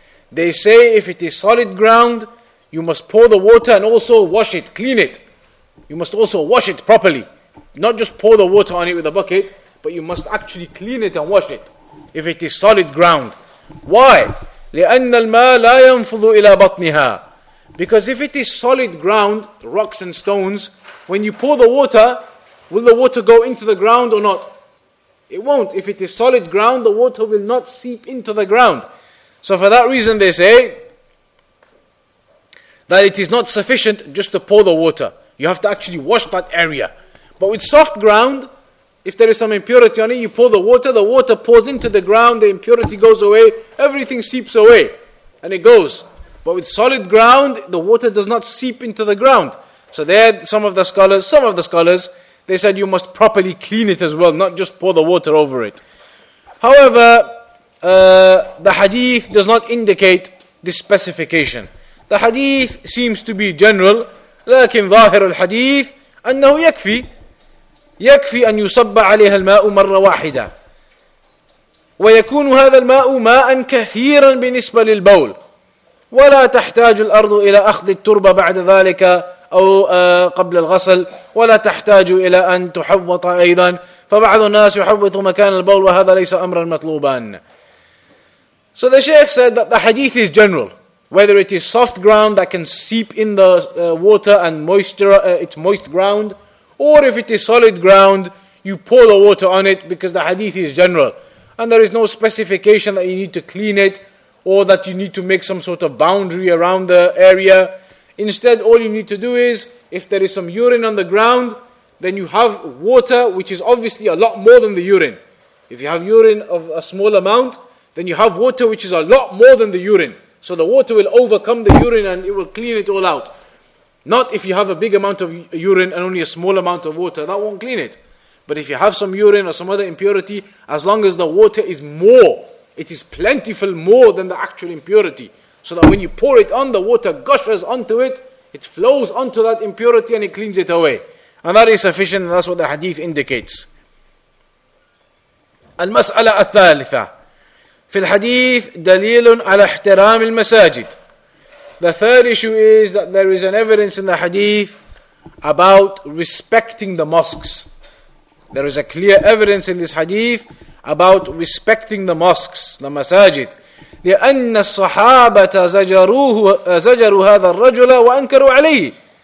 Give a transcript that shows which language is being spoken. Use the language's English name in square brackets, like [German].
[English] They say if it is solid ground, you must pour the water and also wash it, clean it. You must also wash it properly. Not just pour the water on it with a bucket, but you must actually clean it and wash it if it is solid ground. Why? [Arabic] لأن الماء لا ينفذ إلى بطنها. [English] Because if it is solid ground, rocks and stones, when you pour the water, will the water go into the ground or not? It won't. If it is solid ground, the water will not seep into the ground. So for that reason they say that it is not sufficient just to pour the water. You have to actually wash that area. But with soft ground, if there is some impurity on it, you pour the water pours into the ground, the impurity goes away, everything seeps away, and it goes. But with solid ground, the water does not seep into the ground. So there, some of the scholars, they said you must properly clean it as well, not just pour the water over it. However, the hadith does not indicate this specification. The hadith seems to be general, [Arabic] لكن ظاهر الحديث أنه يكفي. يكفي أن يصب عليها الماء مرة واحدة ويكون هذا الماء ماء كثيرا بالنسبة للبول ولا تحتاج الأرض إلى أخذ التربة بعد ذلك أو قبل الغسل ولا تحتاج إلى أن تحوط أيضا فبعض الناس يحوط مكان البول وهذا ليس أمرا مطلوبا. [English] So the Sheikh said that the hadith is general, whether it is soft ground that can seep in the water and moisture, it's moist ground, or if it is solid ground, you pour the water on it, because the hadith is general. And there is no specification that you need to clean it, or that you need to make some sort of boundary around the area. Instead, all you need to do is, if there is some urine on the ground, then you have water, which is obviously a lot more than the urine. If you have urine of a small amount, then you have water which is a lot more than the urine. So the water will overcome the urine and it will clean it all out. Not if you have a big amount of urine and only a small amount of water, that won't clean it. But if you have some urine or some other impurity, as long as the water is more, it is plentiful more than the actual impurity. So that when you pour it on, the water gushes onto it, it flows onto that impurity and it cleans it away. And that is sufficient, and that's what the hadith indicates. [Arabic] المسألة الثالثة في الحديث دليل على احترام المساجد. [English] The third issue is that there is an evidence in the hadith about respecting the mosques. There is a clear evidence in this hadith about respecting the mosques, the masajid. [Arabic] لِأَنَّ الصَّحَابَةَ زَجَرُوا هَذَا الرَّجُلَ وَأَنْكَرُوا عَلَيْهِ.